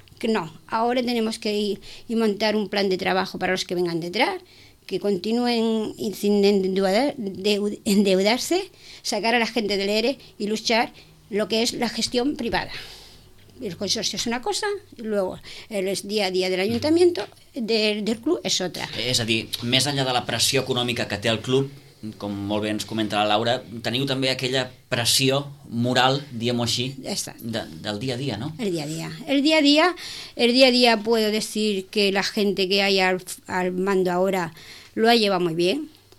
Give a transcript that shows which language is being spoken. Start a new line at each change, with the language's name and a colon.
Spanish: No, ahora tenemos que ir y montar un plan de trabajo para los que vengan detrás, que continúen sin endeudarse, sacar a la gente del ERE y luchar lo que es la gestión privada. El consorcio es una cosa, y luego el día a día del ayuntamiento, del club, es otra.
Catalan: És a dir, més enllà de la pressió econòmica que té el club, com molt bé ens comenta la Laura, teniu també aquella pressió moral, diguem-ho així, del dia a dia, no? El dia a dia.
Spanish: El dia a dia puedo decir que la gente que hay al mando ahora lo ha llevado muy bien.